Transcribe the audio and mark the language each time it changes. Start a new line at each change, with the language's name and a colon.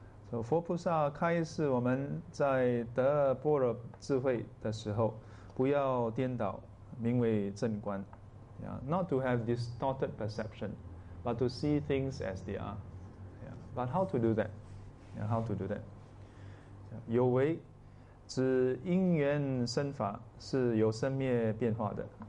Chinese: So 佛菩萨开示我们在得般若智慧的时候, 不要颠倒, 名为正观.
English: Yeah. Not to have distorted perception, but to see things as they are. Yeah. But how to do that? Yeah, how to do that? Yeah.
Chinese: 有为, 指因缘生法是由生灭变化的.